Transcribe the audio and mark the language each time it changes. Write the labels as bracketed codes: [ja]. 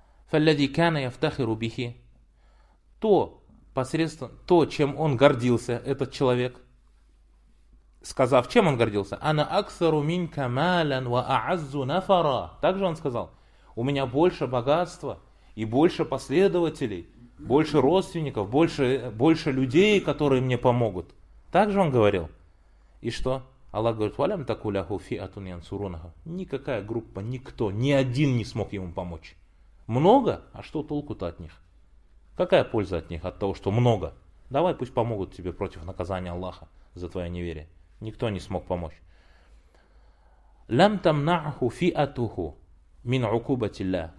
[ar] فَالَّذِي كَانَ يَفْتَخِرُ بِهِ [ru] то, посредством, то, чем он гордился, этот человек, сказав, чем он гордился, [ar] أَنَا أَكْثَرُ مِنْكَ مَالًا وَأَعَزُّ نَفَرًا. [ru] Также он сказал, у меня больше богатства и больше последователей, больше родственников, больше людей, которые мне помогут. Также он говорил. И что? Аллах говорит, [ar] وَلَمْ تَكُوا لَهُ فِيَةٌ يَنْصُرُونَهُ. [ru] Никакая группа, никто, ни один не смог ему помочь. Много? А что толку-то от них? Какая польза от них, от того, что много? Давай, пусть помогут тебе против наказания Аллаха за твое неверие. Никто не смог помочь. [ar] Лям тамнаху фиатуху мин укубатилля.